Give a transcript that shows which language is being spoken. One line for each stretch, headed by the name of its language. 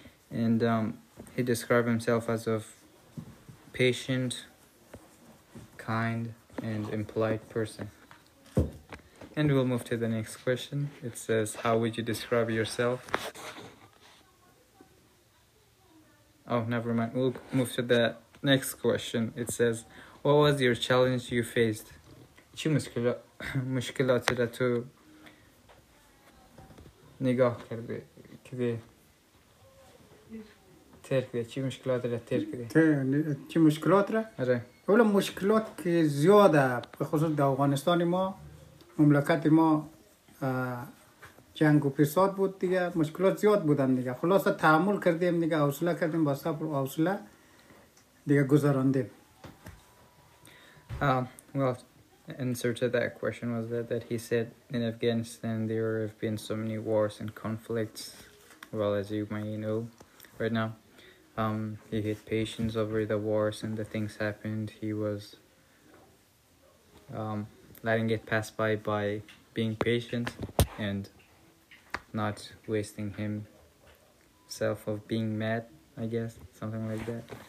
English: And he described himself as of patient, kind, and impolite person. And we'll move to the next question. It says, how would you describe yourself? Oh, never mind. We'll move to the next question. It says, what was your challenge you faced?
Persian: چی مشکلاتی را تو نگاه کردی؟ کدی ترکدی؟ چی مشکلاتی را ترکدی؟ چی مشکلات را؟ آره. اولا مشکلات که زیاده، خصوص در افغانستان ما، مملکت ما جنگ و فساد بود دیگه، مشکلات زیاد بودن دیگه. خلاصه تحمل کردیم دیگه، حوصله کردیم، با صبر و حوصله دیگه گذراندیم.
English: Well, answer to that question was that he said in Afghanistan there have been so many wars and conflicts, well, as you may know right now. He had patience over the wars and the things happened. He was letting it pass by being patient and not wasting himself of being mad, I guess, something like that.